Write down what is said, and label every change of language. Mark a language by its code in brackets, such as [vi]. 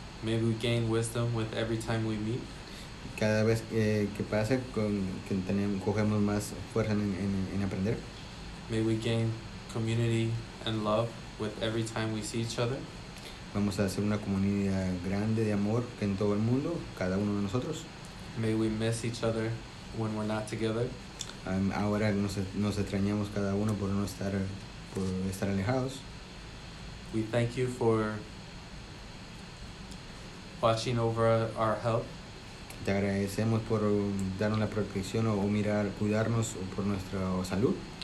[en] May we gain wisdom with every time we meet. [es] Cada vez que pase cogemos más fuerza en aprender. [en] May we gain community and love with every time we see each other. [es] Vamos a hacer una comunidad grande de amor en todo el mundo, cada uno de nosotros. [en] May we miss each other when we're not together. [es] Ahora nos extrañamos cada uno por estar alejados. [en] We thank you for watching over our health. [es] Te agradecemos por darnos la protección o mirar, cuidarnos por nuestra salud.